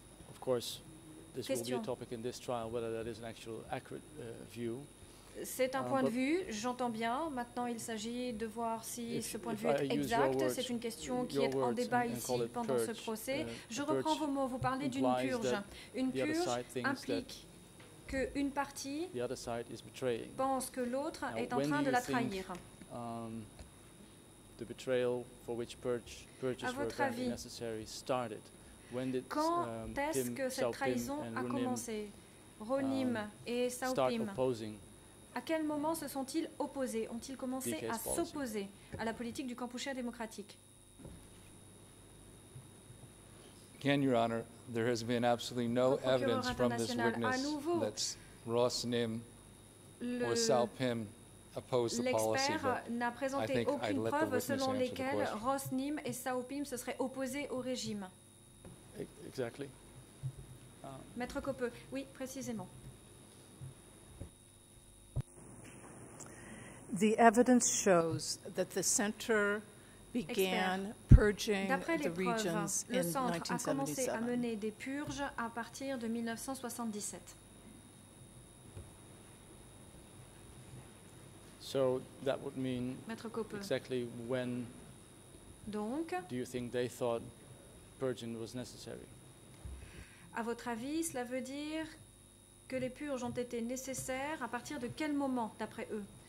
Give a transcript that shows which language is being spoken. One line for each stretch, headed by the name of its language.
English: Of course, this will be a topic in this trial, whether that is an actual accurate view.
French: C'est un point de vue, j'entends bien. Maintenant, il s'agit de voir si ce point de vue est exact. C'est une question qui est en débat ici pendant ce procès. Je reprends vos mots. Vous parlez d'une purge. Une purge implique qu'une partie pense que l'autre est en train de la trahir.
English: The betrayal for which purges were necessary started.
French: Quand est-ce que cette trahison a commencé, Ronim et Saupim? À quel moment se sont-ils opposés? Ont-ils commencé à s'opposer à la politique du Kampuchea démocratique?
English: Again, Your Honor, there has been absolutely no evidence from this witness that Ross Nim or Sao Pim opposed the policy.
French: L'expert n'a présenté aucune preuve selon lesquelles Ross Nim et Sao Pim se seraient opposés au régime.
English: Exactly.
French: Maître Copeux, oui, précisément.
English: The evidence shows that the center began purging the regions in 1977. So that would mean exactly when do you think they thought purging was necessary?
French: À votre avis, cela veut dire que les purges ont été nécessaires à partir de quel moment, d'après eux?